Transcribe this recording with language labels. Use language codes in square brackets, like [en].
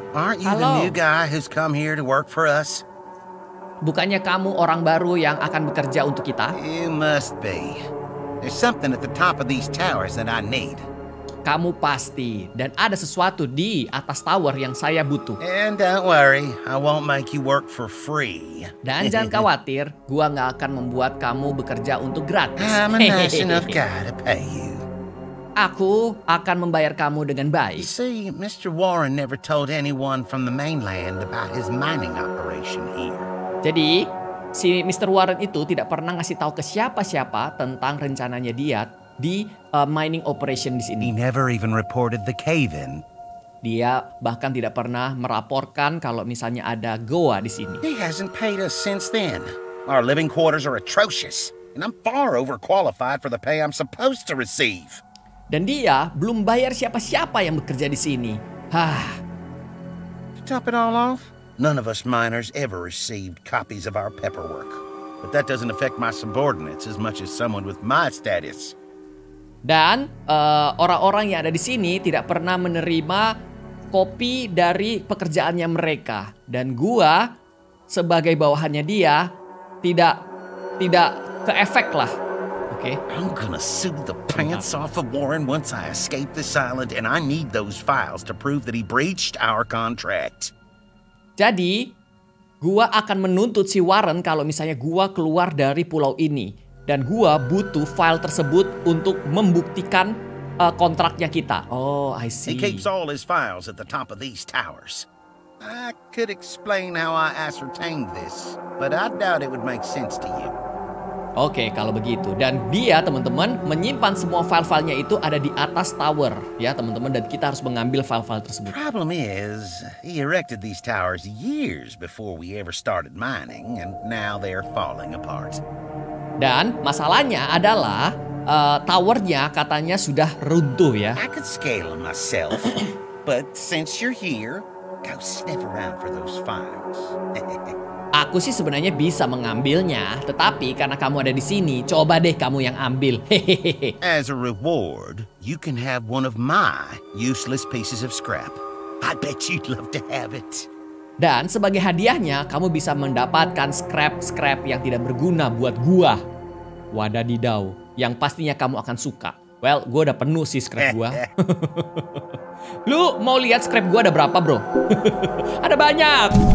[en] Aren't you the new guy who's come here to work for us? [id] Bukannya kamu orang baru yang akan bekerja untuk kita? [en] You must be. There's something at the top of these towers that I need. [id] Kamu pasti. Dan ada sesuatu di atas tower yang saya butuh. [en] And don't worry, I won't make you work for free. [id] Dan jangan khawatir, gua gak akan membuat kamu bekerja untuk gratis. [en] I'm a nice enough guy to pay you. [id] Aku akan membayar kamu dengan baik. [en] See, Mr. Warren never told anyone from the mainland about his mining operation here. [id] Jadi, si Mr. Warren itu tidak pernah ngasih tahu ke siapa-siapa tentang rencananya dia di mining operation di sini. [en] He never even reported the cave-in. [id] Dia bahkan tidak pernah meraporkan kalau misalnya ada goa di sini. [en] He hasn't paid us since then. Our living quarters are atrocious, and I'm far overqualified for the pay I'm supposed to receive. [id] Dan dia belum bayar siapa-siapa yang bekerja di sini. [en] To top it all off, none of us miners ever received copies of our paperwork. But that doesn't affect my subordinates as much as someone with my status. [id] Dan orang-orang yang ada di sini tidak pernah menerima kopi dari pekerjaannya mereka. Dan gua sebagai bawahannya dia tidak ke efek lah. [en] I'm gonna sue the pants off of Warren once I escape this island, and I need those files to prove that he breached our contract. [id] Jadi, gua akan menuntut si Warren kalau misalnya gua keluar dari pulau ini. Dan gua butuh file tersebut untuk membuktikan kontraknya kita. [en] Oh, I see. He keeps all his files at the top of these towers. I could explain how I ascertained this, but I doubt it would make sense to you. [id] Oke, kalau begitu. Dan dia, teman-teman, menyimpan semua file-filenya itu ada di atas tower, ya, teman-teman. Dan kita harus mengambil file-file tersebut. [en] Problem is, he erected these towers years before we ever started mining, and now they're falling apart. [id] Dan masalahnya adalah towernya katanya sudah runtuh, ya. [en] I could scale them myself, but since you're here, go sniff around for those files. [id] Aku sih sebenarnya bisa mengambilnya, tetapi karena kamu ada di sini, coba deh kamu yang ambil. [en] As a reward, you can have one of my useless pieces of scrap. I bet you'd love to have it. [id] Dan sebagai hadiahnya, kamu bisa mendapatkan scrap-scrap yang tidak berguna buat gua. Wadadidaw, yang pastinya kamu akan suka. Well, gua udah penuh sih scrap gua. Lu mau lihat scrap gua ada berapa, bro? Ada banyak!